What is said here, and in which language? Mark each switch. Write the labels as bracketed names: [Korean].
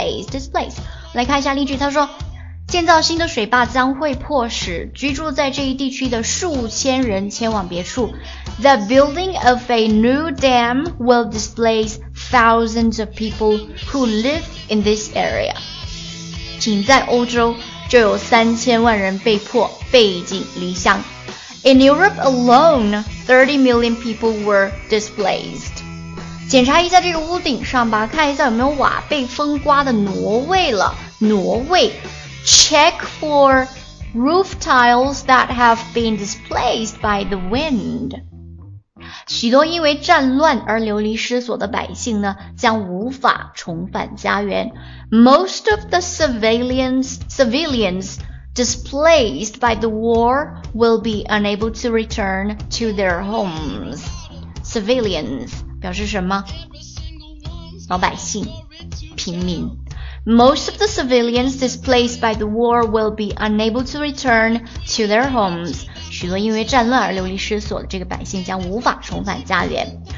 [Chinese] displace 来看一下例句，他说建造新的水坝将会迫使居住在这一地区的数千人迁往别处。 [English] The building of a new dam will displace thousands of people who live in this area. [Chinese] 请在欧洲就有三千万人被迫背井离乡。 [English] In Europe alone, 30 million people were displaced. [Chinese] 检查一下这个屋顶上吧，看一下有没有瓦被风刮的挪位了，挪位。 [English] Check for roof tiles that have been displaced by the wind. [Chinese] 许多因为战乱而流离失所的百姓呢，将无法重返家园。 [English] Most of the civilians displaced by the war will be unable to return to their homes. [Chinese] Civilians 表示什么？老百姓，平民。 [English] Most of the civilians displaced by the war will be unable to return to their homes. [Chinese] 许多因为战乱而流离失所的这个百姓将无法重返家园。